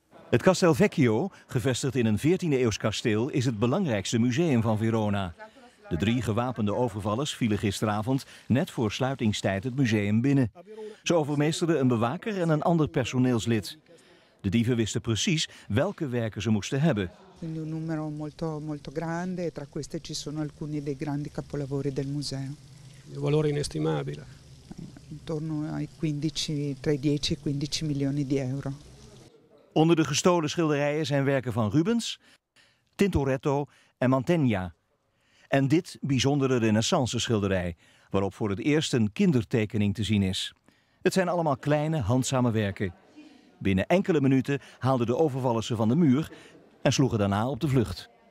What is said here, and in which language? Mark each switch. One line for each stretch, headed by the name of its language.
Dutch: Het Castel Vecchio, gevestigd in een 14e-eeuws kasteel, is het belangrijkste museum van Verona. De 3 gewapende overvallers vielen gisteravond net voor sluitingstijd het museum binnen. Ze overmeesterden een bewaker en een ander personeelslid. De dieven wisten precies welke werken ze moesten hebben. Een nummer
Italian: molto grande, tra queste ci sono alcuni dei grandi capolavori del museo. un valore inestimabile. Intorno ai 15, tra i 10 e 15 milioni di euro.
Dutch: Onder de gestolen schilderijen zijn werken van Rubens, Tintoretto en Mantegna. En dit bijzondere Renaissance schilderij, waarop voor het eerst een kindertekening te zien is. Het zijn allemaal kleine, handzame werken. Binnen enkele minuten haalden de overvallers ze van de muur en sloegen daarna op de vlucht.